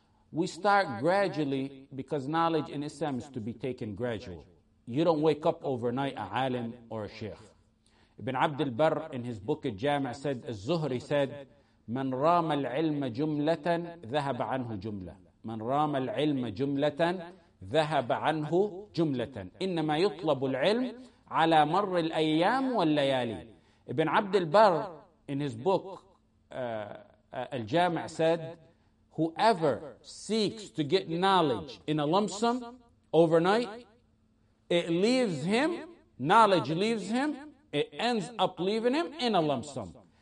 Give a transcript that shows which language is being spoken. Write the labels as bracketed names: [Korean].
[English] We start gradually, because knowledge in Islam is to be taken gradual. You don't wake up overnight a alim or a sheikh. Ibn Abd al-Barr, in his book Al-Jami', said, Al-Zuhri said, [Arabic] من رام العلم جملة ذهب عنه جملة. من رام العلم جملة ذهب عنه جملة. إنما يطلب العلم على مر الأيام والليالي. [English] Ibn Abd al-Barr, in his book Al-Jami', said, whoever seeks to get knowledge in a lump sum overnight, it leaves him, knowledge leaves him, it ends up leaving him in a lump sum.